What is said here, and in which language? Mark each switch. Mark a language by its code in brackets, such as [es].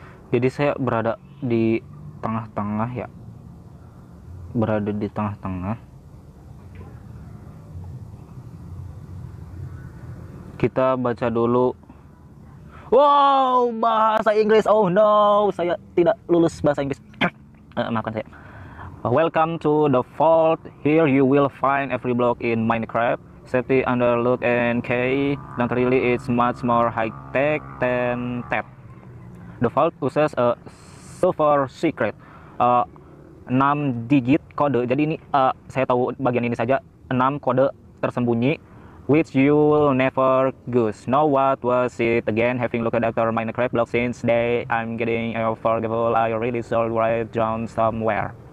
[id] Jadi saya berada di tengah-tengah ya. Berada di tengah-tengah. Kita baca dulu. Wow, bahasa Inggris. [en] Oh no, [id] saya tidak lulus bahasa Inggris. Maafkan saya. [en] Welcome to the vault. Here you will find every block in Minecraft. Safety under lock and key. Not really, it's much more high tech than that. The vault uses a super secret 6 digit kode. [id] Jadi ini saya tahu bagian ini saja, 6 kode tersembunyi [en] which you will never guess. Now what was it again? Having looked after Minecraft block since day, I'm getting forgetful. I really should write down somewhere.